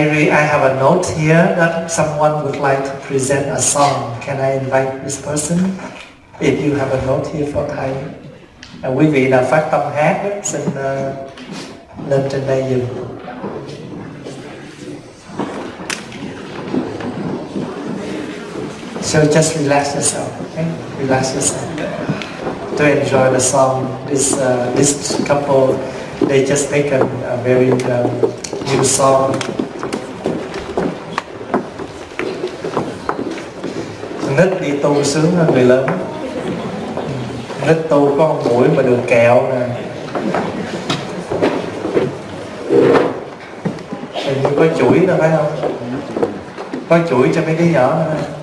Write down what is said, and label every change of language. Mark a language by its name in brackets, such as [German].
[English] I have a note here that someone would like to present a song. Can I invite this person? If you have a note here for Thái. [Vietnamese] À, quý vị nào phát tâm hát, xin lên trên đây dùm. [English] So just relax yourself, okay? Relax yourself. To enjoy the song, this couple, they just make a very new song. [Vietnamese] Nít đi tu sướng hơn người lớn. Nít tu có con mũi mà đường kẹo nè. Hình như có chuỗi nữa phải không? Có chuỗi cho mấy đứa nhỏ nữa.